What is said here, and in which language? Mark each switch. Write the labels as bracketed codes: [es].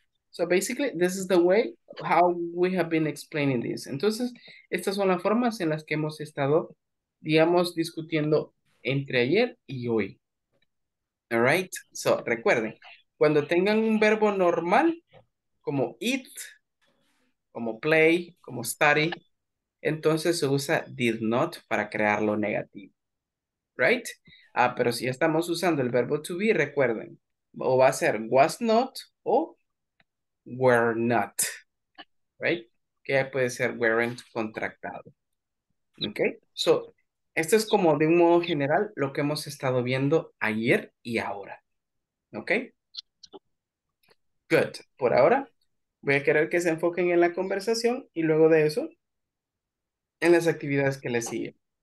[en] So basically, this is the way how we have been explaining this. [es] Entonces, estas son las formas en las que hemos estado, digamos, discutiendo entre ayer y hoy. [en] All right? So, [es] recuerden, cuando tengan un verbo normal, como eat, como play, como study, entonces se usa did not para crear lo negativo, right? Ah, pero si estamos usando el verbo to be, recuerden, o va a ser was not o were not, right? Que puede ser weren't contractado, okay? So, esto es como de un modo general lo que hemos estado viendo ayer y ahora, okay? Good, por ahora voy a querer que se enfoquen en la conversación y luego de eso, en las actividades que le siguen.